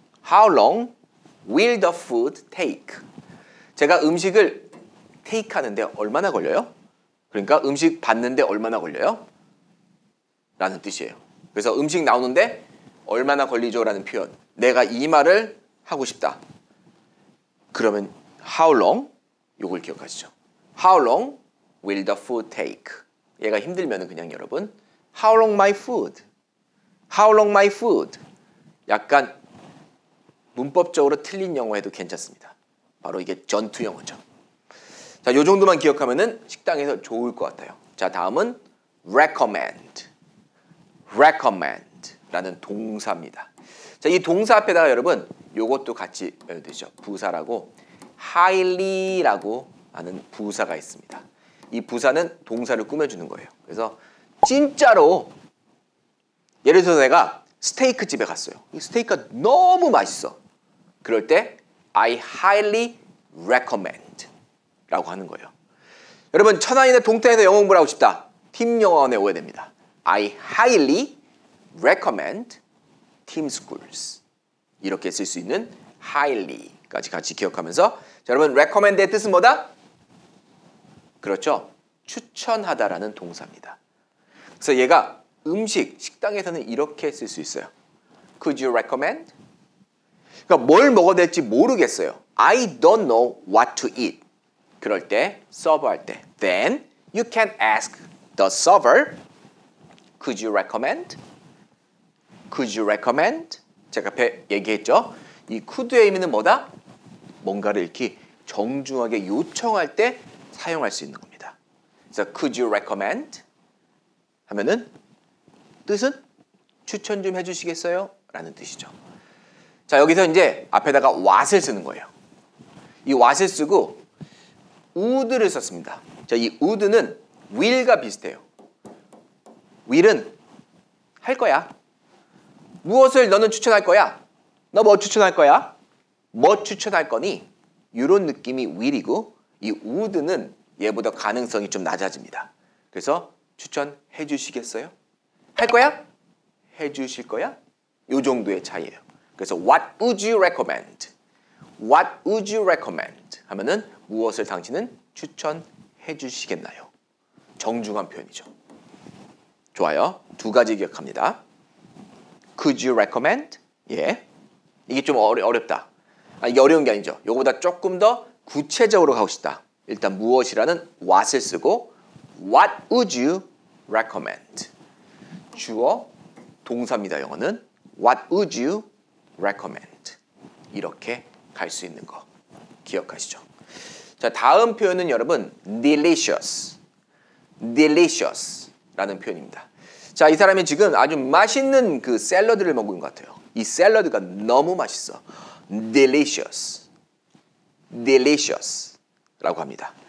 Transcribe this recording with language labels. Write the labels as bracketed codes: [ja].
[en] How long will the food take? [ko] 제가 음식을 take 하는데 얼마나 걸려요? 그러니까 음식 받는데 얼마나 걸려요? 라는 뜻이에요. 그래서 음식 나오는데 얼마나 걸리죠? 라는 표현. 내가 이 말을 하고 싶다. 그러면 [en] How long? [ko] 이걸 기억하시죠. [en] How long will the food take? [ko] 얘가 힘들면 그냥 여러분 [en] How long my food? How long my food? [ko] 약간 문법적으로 틀린 영어에도 괜찮습니다. 바로 이게 전투 영어죠. 자, 요 정도만 기억하면 식당에서 좋을 것 같아요. 자, 다음은 recommend. recommend 라는 동사입니다. 자, 이 동사 앞에다가 여러분 요것도 같이 외워두죠. 부사라고 highly 라고 하는 부사가 있습니다. 이 부사는 동사를 꾸며주는 거예요. 그래서 진짜로 예를 들어서 내가 스테이크 집에 갔어요. 이 스테이크가 너무 맛있어. 그럴 때 [en] I highly recommend [ko] 라고 하는 거예요. 여러분 천안이나 동탄에서 영어 공부를 하고 싶다. 팀 영어원에 오게 됩니다. [en] I highly recommend team schools. [ko] 이렇게 쓸 수 있는 highly까지 같이 기억하면서 자, 여러분 recommend의 뜻은 뭐다? 그렇죠. 추천하다라는 동사입니다. 그래서 얘가 음식, 식당에서는 이렇게 쓸 수 있어요. [en] Could you recommend? [ko] 그러니까 뭘 먹어야 될지 모르겠어요. [en] I don't know what to eat. [ko] 그럴 때, 서버할 때. [en] Then you can ask the server. Could you recommend? Could you recommend? [ko] 제가 앞에 얘기했죠. 이 could의 의미는 뭐다? 뭔가를 이렇게 정중하게 요청할 때 사용할 수 있는 겁니다. 그래서 [en] could you recommend? [ko] 하면은 뜻은 추천 좀 해주시겠어요? 라는 뜻이죠. 자, 여기서 이제 앞에다가 what을 쓰는 거예요. 이 what을 쓰고 would를 썼습니다. 자, 이 would는 will과 비슷해요. will은 할 거야. 무엇을 너는 추천할 거야? 너 뭐 추천할 거야? 뭐 추천할 거니? 이런 느낌이 will이고 이 would는 얘보다 가능성이 좀 낮아집니다. 그래서 추천해 주시겠어요? 할 거야? 해 주실 거야? 요 정도의 차이예요. 그래서 [en] what would you recommend? What would you recommend? [ko] 하면은 무엇을 당신은 추천해 주시겠나요? 정중한 표현이죠. 좋아요. 두 가지 기억합니다. [en] Could you recommend? [ko] 예. 이게 좀 어렵다. 아, 이게 어려운 게 아니죠. 이거보다 조금 더 구체적으로 가고 싶다. 일단 무엇이라는 what을 쓰고 [en] What would you recommend? [ko] 주어, 동사입니다. 영어는 [en] What would you recommend? [ko] 이렇게 갈 수 있는 거 기억하시죠? 자, 다음 표현은 여러분 delicious, delicious라는 표현입니다. 자, 이 사람이 지금 아주 맛있는 그 샐러드를 먹은 것 같아요. 이 샐러드가 너무 맛있어. Delicious, delicious라고 합니다.